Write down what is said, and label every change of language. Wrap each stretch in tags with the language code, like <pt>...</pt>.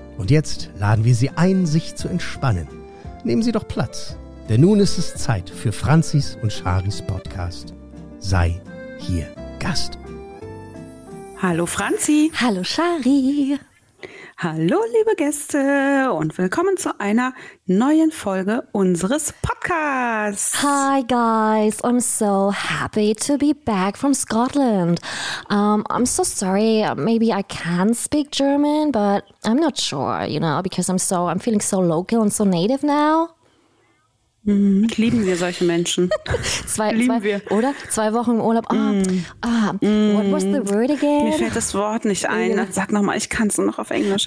<de>Und jetzt laden wir Sie ein, sich zu entspannen. Nehmen Sie doch Platz, denn nun ist es Zeit für Franzis und Charis Podcast. Sei hier Gast. Hallo Franzi. Hallo Chari. Hallo liebe Gäste und willkommen zu einer neuen Folge unseres Podcasts.</de> <en>Hi guys, I'm so happy to be back from Scotland. I'm so sorry, maybe I can speak German, but I'm not sure, you know, because I'm feeling so local and so native now.</en> <de>Lieben wir solche Menschen. Lieben wir. Oder? Zwei Wochen im Urlaub.</de> <en>What was the word again?</en> <de>Mir fällt das Wort nicht ein. Yeah. Sag nochmal, ich kann es nur noch auf Englisch.</de>